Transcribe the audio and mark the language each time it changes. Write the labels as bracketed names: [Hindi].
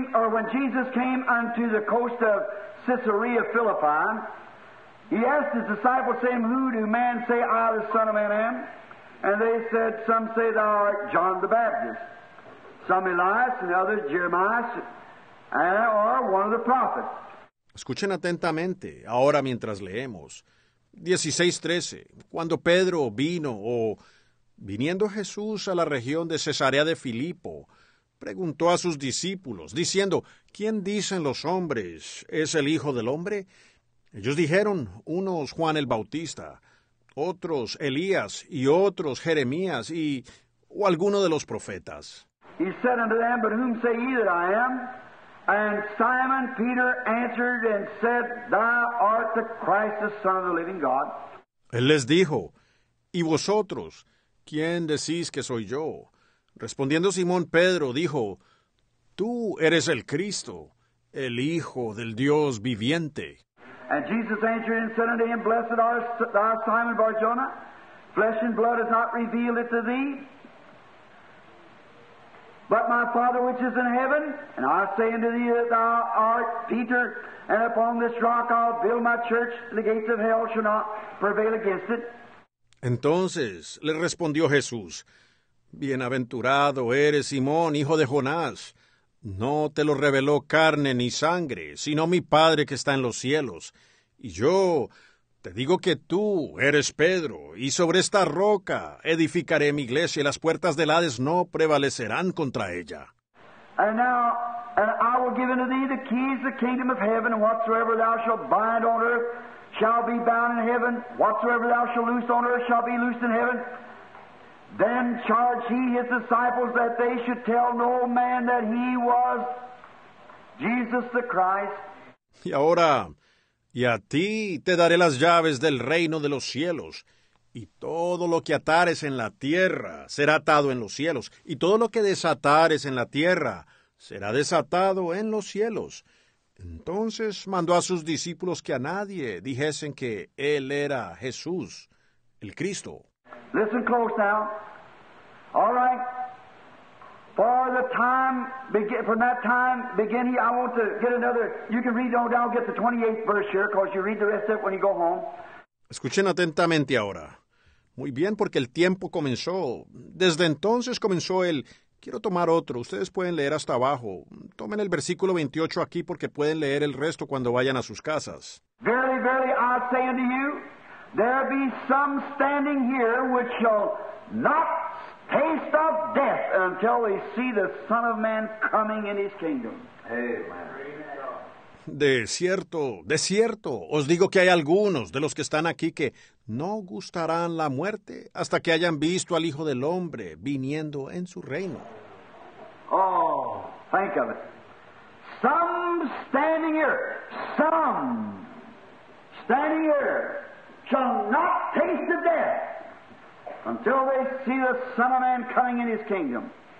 [English] When Jesus came unto the coast of Caesarea Philippi, he asked his disciples, saying, who do men say I, the Son of Man, am? And they said, some say thou art John the Baptist, some Elias, and others Jeremiah, and or one of the prophets. [Spanish] Escuchen atentamente, ahora mientras leemos. 16:13. Cuando Pedro vino, viniendo Jesús a la región de Cesarea de Filipo, preguntó a sus discípulos, diciendo, ¿quién dicen los hombres es el Hijo del Hombre? Ellos dijeron, unos Juan el Bautista, otros Elías, y otros Jeremías, o alguno de los profetas. [English] He said unto them, but whom say ye that I am? And Simon Peter answered and said, thou art the Christ, the Son of the living God. [Spanish] Él les dijo, ¿y vosotros? ¿Quién decís que soy yo? Respondiendo Simón Pedro, dijo, tú eres el Cristo, el Hijo del Dios viviente. [English] And Jesus answered and said unto him, blessed art thou, Simon Barjona, flesh and blood has not revealed it to thee, but my Father which is in heaven. And I say unto thee that thou art Peter, and upon this rock I'll build my church, and the gates of hell shall not prevail against it. [Spanish] Entonces le respondió Jesús, bienaventurado eres Simón, hijo de Jonás. No te lo reveló carne ni sangre, sino mi Padre que está en los cielos. Y yo te digo que tú eres Pedro, y sobre esta roca edificaré mi iglesia, y las puertas del Hades no prevalecerán contra ella. [English] And I will give unto thee the keys of the kingdom of heaven, and whatsoever thou shalt bind on earth shall be bound in heaven. Whatsoever thou shalt loose on earth shall be loosed in heaven. Then charged he his disciples that they should tell no man that he was Jesus the Christ. [Spanish] Y ahora, y a ti te daré las llaves del reino de los cielos. Y todo lo que atares en la tierra será atado en los cielos. Y todo lo que desatares en la tierra será desatado en los cielos. Entonces mandó a sus discípulos que a nadie dijesen que él era Jesús, el Cristo. [English] Listen close now. All right. From that time begin, I want to get another. You can read on down, get the 28th verse here, because you read the rest of it when you go home. [Spanish] Escuchen atentamente ahora. Muy bien, porque el tiempo comenzó. Desde entonces comenzó el. Quiero tomar otro. Ustedes pueden leer hasta abajo. Tomen el versículo 28 aquí porque pueden leer el resto cuando vayan a sus casas. [English] Verily, verily, I say unto you, there be some standing here which shall not taste of death until they see the Son of Man coming in his kingdom. Amen. [Spanish] De cierto, os digo que hay algunos de los que están aquí que no gustarán la muerte hasta que hayan visto al Hijo del Hombre viniendo en su reino. [English] Oh, think of it. Some standing here, some standing here shall not taste the death until they see the Son of Man coming in his kingdom.